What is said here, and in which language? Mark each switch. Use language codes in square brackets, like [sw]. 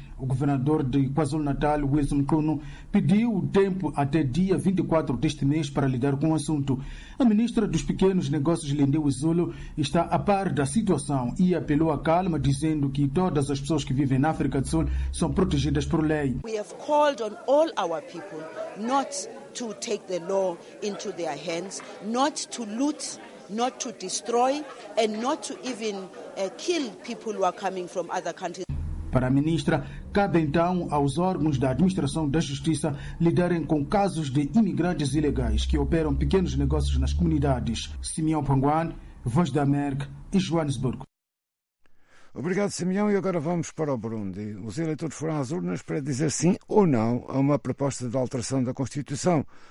[pt] O governador de KwaZulu-Natal, Wilson Kunu, pediu o tempo até dia 24 deste mês para lidar com o assunto. A ministra dos Pequenos Negócios, Lindiwe Zulu, está a par da situação e apelou à calma, dizendo que todas as pessoas que vivem na África do Sul são protegidas por lei. [en] We have called on all our people not to take the law into their hands, not to loot, not to destroy, and not to even kill people who are coming from other countries. [pt] Para a ministra, cabe então aos órgãos da administração da justiça lidarem com casos de imigrantes ilegais que operam pequenos negócios nas comunidades. Simeão Panguane, Voz da América e Joanesburgo. Obrigado, Simeão. E agora vamos para o Burundi. Os eleitores foram às urnas para dizer sim ou não a uma proposta de alteração da Constituição.